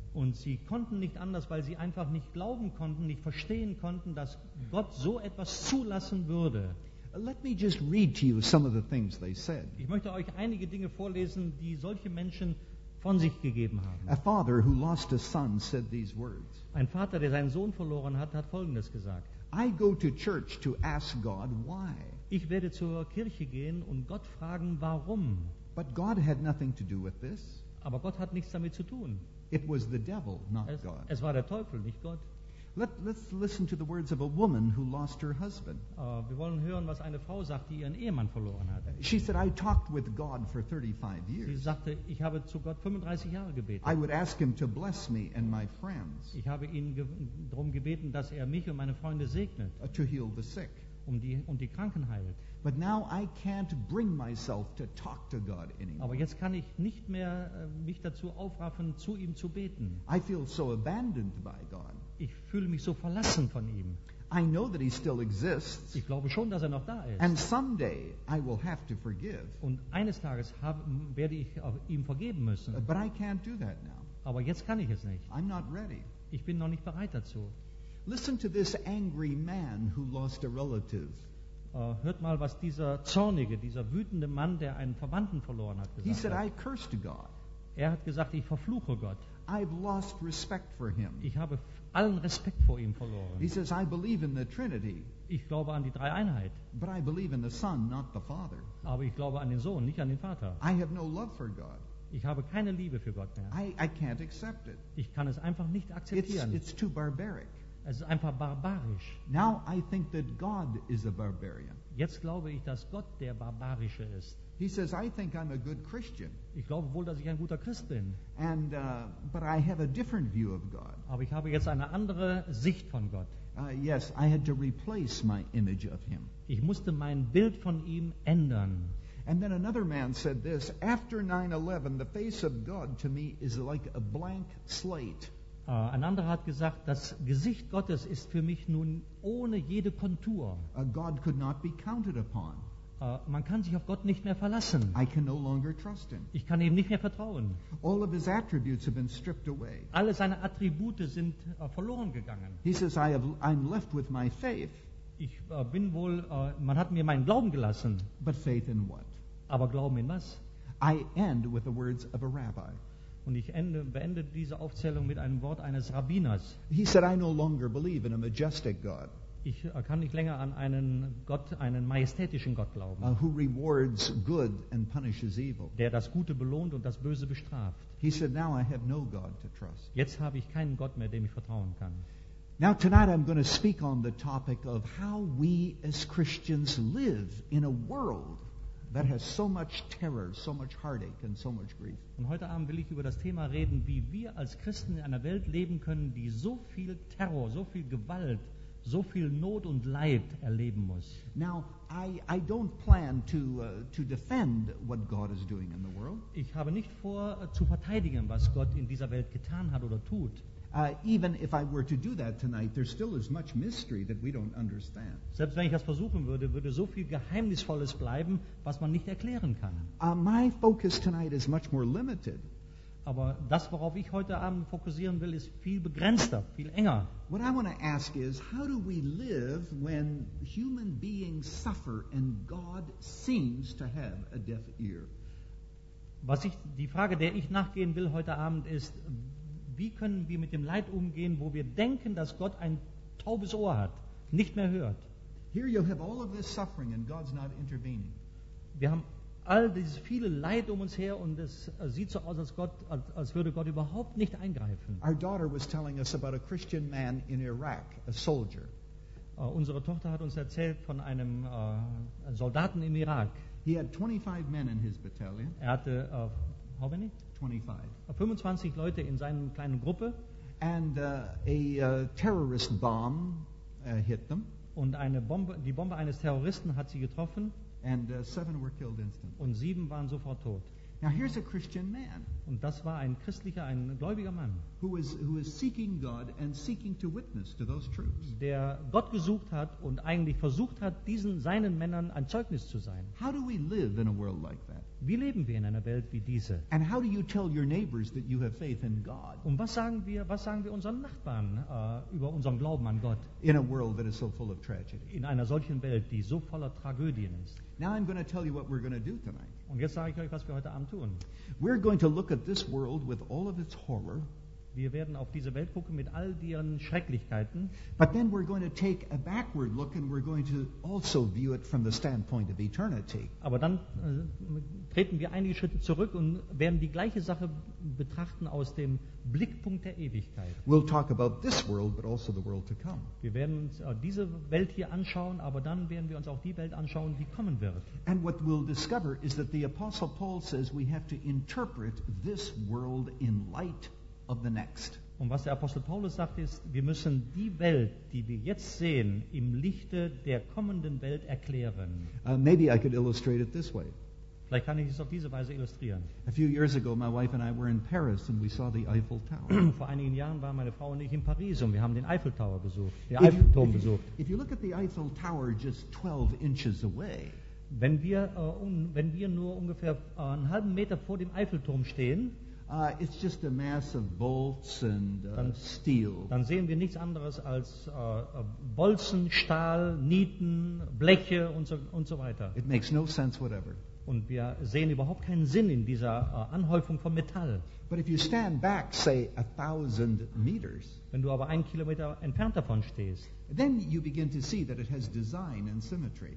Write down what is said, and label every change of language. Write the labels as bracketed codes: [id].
[de] Und sie konnten nicht anders, weil sie einfach nicht glauben konnten, nicht verstehen konnten, dass Gott so etwas zulassen würde. [en] Let me just read to you some of the things they said. [de] Ich möchte euch einige Dinge vorlesen, die solche Menschen von sich gegeben haben. [en] A father who lost a son said these words. [de] Ein Vater, der seinen Sohn verloren hat, hat Folgendes gesagt. [en] I go to church to ask God why. [de] Ich werde zur Kirche gehen und Gott fragen, warum. [en] But God had nothing to do with this. [de] Aber Gott hat nichts damit zu tun. [en] It was the devil, not God. [de] Es war der Teufel, nicht Gott. [en] Let's listen to the words of a woman who lost her husband. [de] Wir wollen hören, was eine Frau sagt, die ihren Ehemann verloren hat. [en] She said, I talked with God for 35 years. [de] Sie sagte, ich habe zu Gott 35 Jahre gebetet. [en] I would ask him to bless me and my friends. [de] Ich habe ihn darum gebeten, dass er mich und meine Freunde segnet. [en] To heal the sick. [de] Um die Kranken heilt. [en] But now I can't bring myself to talk to God anymore. [de] Aber jetzt kann ich nicht mehr mich dazu aufraffen, zu ihm zu beten. [en] I feel so abandoned by God. [de] Ich fühle mich so verlassen von ihm. [en] I know that he still exists. [de] Ich glaube schon, dass er noch da ist. [en] And someday I will have to forgive. [de] Und eines Tages werde ich ihm vergeben müssen. [en] But I can't do that now. [de] Aber jetzt kann ich es nicht. [en] I'm not ready. [de] Ich bin noch nicht bereit dazu. [en] Listen to this angry man who lost a relative. [de] Hört mal, was dieser zornige, dieser wütende Mann, der einen Verwandten verloren hat, gesagt hat. [en] He said, I cursed God. [de] Er hat gesagt, ich verfluche Gott. [en] I've lost respect for him. [de] Ich habe allen Respekt vor ihm verloren. [en] He says, I believe in the Trinity. [de] Ich glaube an die Dreieinheit. [en] But I believe in the Son, not the Father. [de] Aber ich glaube an den Sohn, nicht an den Vater. [en] I have no love for God. [de] Ich habe keine Liebe für Gott mehr. [en] I can't accept it. [de] Ich kann es einfach nicht akzeptieren. [en] It's too barbaric. [de] Es ist einfach barbarisch. [en] Now I think that God is a barbarian. [de] Jetzt glaube ich, dass Gott der Barbarische ist. [en] He says, I think I'm a good Christian. [de] Ich glaube wohl, dass ich ein guter Christ bin. [en] And but I have a different view of God. [de] Aber ich habe jetzt eine andere Sicht von Gott. [en] Yes, I had to replace my image of him. [de] Ich musste mein Bild von ihm ändern. [en] And then another man said this, after 9/11, the face of God to me is like a blank slate. [de] Ein anderer hat gesagt, das Gesicht Gottes ist für mich nun ohne jede Kontur. [en] God could not be counted upon. [de] Man kann sich auf Gott nicht mehr verlassen. [en] I can no longer trust him. [de] Ich kann ihm nicht mehr vertrauen. [en] All of his attributes have been stripped away. [de] Alle seine Attribute sind verloren gegangen. [en] He says, I'm left with my faith. [de] Ich bin wohl, man hat mir meinen Glauben gelassen. [en] But faith in what? [de] Aber Glauben in was? [en] I end with the words of a rabbi. [de] Und ich beende diese Aufzählung mit einem Wort eines Rabbiners. [en] He said, I no longer believe in a majestic God. [de] Ich kann nicht länger an einen Gott, einen majestätischen Gott glauben. [en] Who rewards good and punishes evil. [de] Der das Gute belohnt und das Böse bestraft. [en] He said, now I have no God to trust. [de] Jetzt habe ich keinen Gott mehr, dem ich vertrauen kann. [en] Now tonight I'm going to speak on the topic of how we as Christians live in a world that has so much terror, so much heartache and so much grief. [de] Und heute Abend will ich über das Thema reden, wie wir als Christen in einer Welt leben können, die so viel Terror, so viel Gewalt, so viel Not und Leid erleben muss. [en] Now, I don't plan to defend what God is doing in the world. [de] Ich habe nicht vor zu verteidigen, was Gott in dieser Welt getan hat oder tut. [en] Even if I were to do that tonight, there still is much mystery that we don't understand. [de] Selbst wenn ich das versuchen würde, würde so viel Geheimnisvolles bleiben, was man nicht erklären kann. [en] My focus tonight is much more limited. [de] Aber das, worauf ich heute Abend fokussieren will, ist viel begrenzter, viel enger. [en] What I want to ask is, how do we live when human beings suffer and God seems to have a deaf ear? [de] Die Frage, der ich nachgehen will heute Abend, ist, wie können wir mit dem Leid umgehen, wo wir denken, dass Gott ein taubes Ohr hat, nicht mehr hört? [en] Here you have all of this suffering and God's not intervening. [de] Wir haben all dieses viele Leid um uns her und es sieht so aus, als würde Gott überhaupt nicht eingreifen. [en] Our daughter was telling us about a Christian man in Iraq, a soldier. [de] Unsere Tochter hat uns erzählt von einem Soldaten im Irak. [en] He had 25 men in his battalion. [de] Er hatte [en] how many? [de] 25 Leute in seinem kleinen Gruppe. [en] And a terrorist bomb hit them. [de] Und die Bombe eines Terroristen hat sie getroffen. [en] And 7 were killed instantly. [de] Und 7 waren sofort tot. [en] Now here's a Christian man. [de] Und das war ein christlicher, ein gläubiger Mann. [en] Who is seeking God and seeking to witness to those troops. [de] Der Gott gesucht hat und eigentlich versucht hat, seinen Männern ein Zeugnis zu sein. [en] How do we live in a world like that? [de] Wie leben wir in einer Welt wie diese? [en] And how do you tell your neighbors that you have faith in God? [de] Und was sagen wir unseren Nachbarn über unseren Glauben an Gott? [en] In a world that is so full of tragedy. [de] In einer solchen Welt, die so voller Tragödien ist. [en] Now I'm going to tell you what we're going to do tonight. [de] Und jetzt sage ich euch, was wir heute Abend tun. [en] We're going to look at this world with all of its horror. [de] Wir werden auf diese Welt gucken mit all ihren Schrecklichkeiten. [en] But then we're going to take a backward look and we're going to also view it from the standpoint of eternity. [de] Aber dann treten wir einige Schritte zurück und werden die gleiche Sache betrachten aus dem Blickpunkt der Ewigkeit. [en] We'll talk about this world, but also the world to come. [de] Wir werden uns diese Welt hier anschauen, aber dann werden wir uns auch die Welt anschauen, die kommen wird. [en] And what we'll discover is that the Apostle Paul says we have to interpret this world in light of the next. [de] Und was der Apostel Paulus sagt ist, wir müssen die Welt, die wir jetzt sehen, im Lichte der kommenden Welt erklären. [en] Maybe I could illustrate it this way. [de] Vielleicht kann ich es auf diese Weise illustrieren. [en] A few years ago my wife and I were in Paris and we saw the Eiffel Tower. [de] Vor einigen Jahren waren meine Frau und ich in Paris und wir haben den Eiffelturm besucht. [en] If you look at the Eiffel Tower just 12 inches away. [de] Wenn wir nur ungefähr einen halben Meter vor dem Eiffelturm stehen, [en] It's just a mass of bolts and steel. [de] Dann sehen wir nichts anderes als Bolzen, Stahl, Nieten, Bleche und so weiter. [en] It makes no sense whatever. [de] Und wir sehen überhaupt keinen Sinn in dieser Anhäufung von Metall. [en] But if you stand back, say 1,000 meters. [de] Wenn du aber einen Kilometer entfernt davon stehst. [en] Then you begin to see that it has design and symmetry.